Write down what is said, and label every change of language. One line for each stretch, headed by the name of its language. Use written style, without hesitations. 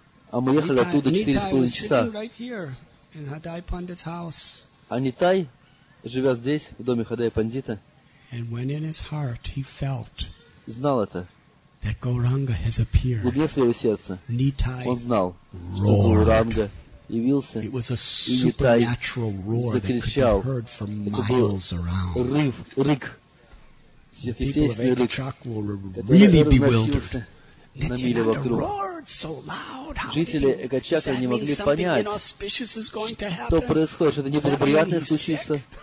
Russian: А мы ехали оттуда 4,5 часа. А Нитай, живя здесь, в доме Хадай Пандита, знал это. В глубине своего сердца он знал, что Гауранга явился,
English: it was a supernatural roar that could be heard for miles around.
Russian: Рык.
English: The people of Ekachakra were really bewildered.
Russian: Жители Экачакры не могли понять, что происходит, что это не было приятное случиться.